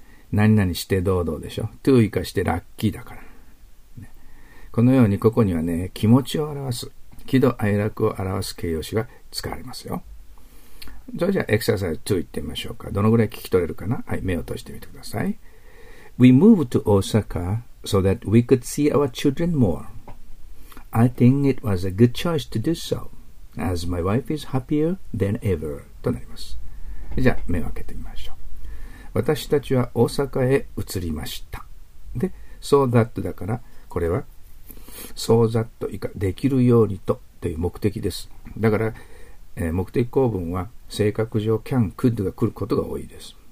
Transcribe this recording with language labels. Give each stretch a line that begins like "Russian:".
Japanese: 何々して堂々でしょ。to 生かしてラッキーだから。このように、ここにはね、気持ちを表す、喜怒哀楽を表す形容詞が使われますよ。それじゃあ、エクササイズ2行ってみましょうか。どのぐらい聞き取れるかな？はい、目を閉じてみてください。
English: We moved to Osaka so that we could see our children more. I think it was a good choice to do so, as my wife is happier than ever.
Japanese: となります。じゃあ、目を開けてみましょう。私たちは大阪へ移りました。で、so that だから、これは、so that 以下できるようにとという目的です。だから、目的構文は性格上 can could が来ることが多いです。